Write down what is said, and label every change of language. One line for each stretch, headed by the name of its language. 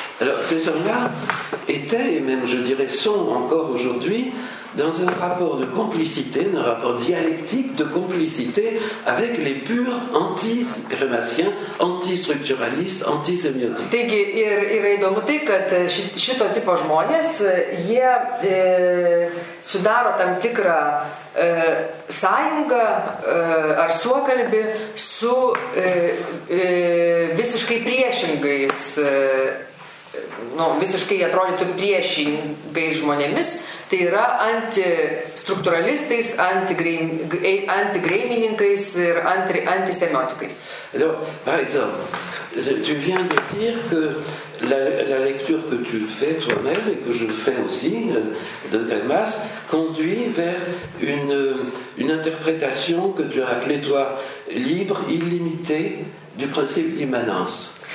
French: Alors, ces gens-là étaient, et même je dirais sont encore aujourd'hui, dans un rapport de complicité, un rapport dialectique de complicité avec les purs anti-crémaciens, anti-structuralistes, anti-sémiotiques.
Lithuanian: Taigi, yra įdomu tai, kad šito tipo žmonės, jie sudaro tam tikrą sąjungą ar suokalbį su visiškai priešingais, nu, visiškai atrodytų priešingai žmonėmis, tai yra antistruktūralistais, antigreimininkais ir antisemiotikais.
French: Alors, par exemple, tu viens de dire que la lecture que tu fais toi-même et que je fais aussi de Grémas conduit vers une interprétation que tu as appelée toi libre, illimitée du principe d'immanence.